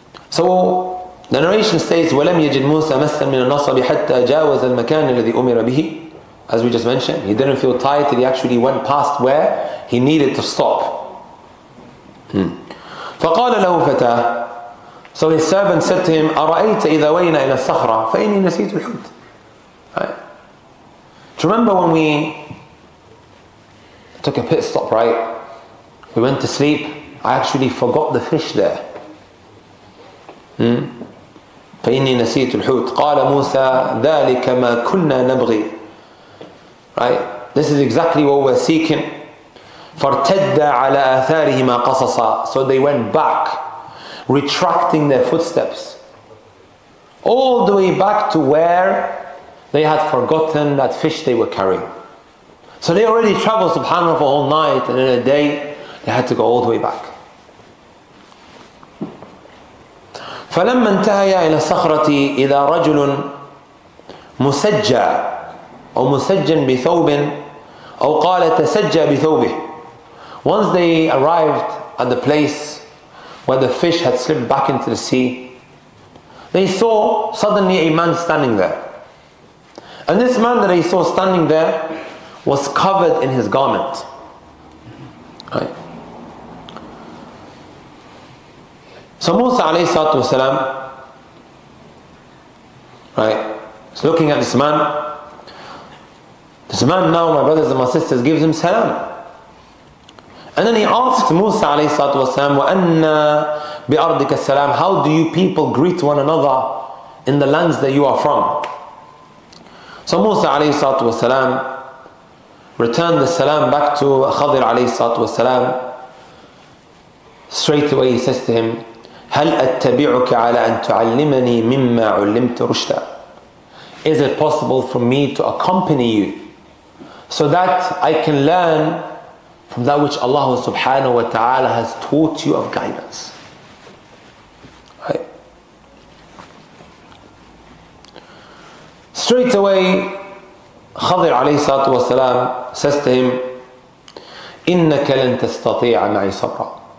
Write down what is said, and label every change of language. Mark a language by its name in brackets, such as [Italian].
[English] So the narration states, [Arabic] وَلَمْ يَجِدْ مُوسَى مَسًّا مِنَ النَّصَبِ حَتَّى جَاوَزَ الْمَكَانَ الَّذِي أُمِرَ بِهِ. [English] As we just mentioned, he didn't feel tired till he actually went past where he needed to stop. [Arabic] فقال له فتاه. [English] So his servant said to him, [Arabic] أرأيت إذا وينا إلى الصخرة فإني نسيت الحوت. [English] Right? Do you remember when we took a pit stop, right? We went to sleep. I actually forgot the fish there. [Arabic] فإني نسيت الحوت. قال موسى ذلك ما كنا نبغي. [English] Right? This is exactly what we're seeking. [Arabic] فارتد على آثارهما قصصا. [English] So they went back, retracting their footsteps, all the way back to where they had forgotten that fish they were carrying. So they already traveled, subhanAllah, for a whole night, and in a day, they had to go all the way back. [Arabic] فلما انتهيا إلى الصخرة إذا رجل مسجى أو مسجى بثوب أو قال تسجى بثوبه. [English] Once they arrived at the place where the fish had slipped back into the sea, they saw suddenly a man standing there. And this man that they saw standing there was covered in his garment. Right? So Musa alayhi salatu wasalam, right, is looking at this man. This man now, my brothers and my sisters, gives him salam. And then he asks Musa alayhi salatu wasalam, [Arabic] وَأَنَّ بِأَرْضِكَ السَّلَامِ. [English] How do you people greet one another in the lands that you are from? So Musa alayhi salatu wasalam returned the salam back to Khadir alayhi salatu wasalam. Straight away he says to him, [Arabic] هل أتبعك على أن تعلمني مما علمت رشدا. [English] Is it possible for me to accompany you so that I can learn from that which Allah subhanahu wa ta'ala has taught you of guidance? Right. Straight away, Khadir alayhi salatu wasalam says to him, [Arabic] إِنَّكَ لَن تَسْتَطِيعَ مَعِي صَبْرًا.